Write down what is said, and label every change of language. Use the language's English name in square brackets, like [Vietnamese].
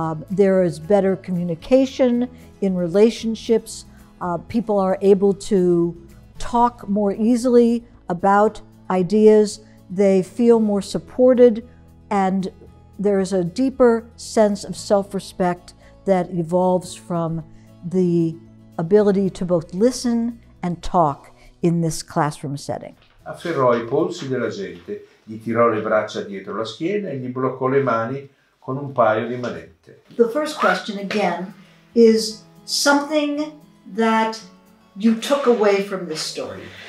[English] there is better communication in relationships, people are able to talk more easily about ideas, they feel more supported, and there is a deeper sense of self-respect that evolves from the ability to both listen and talk in this classroom setting. [Italian] Afferrò i polsi della gente, gli tirò le braccia dietro la schiena e gli bloccò le mani con un paio di manette. [English] The first question again is something that you took away from this story.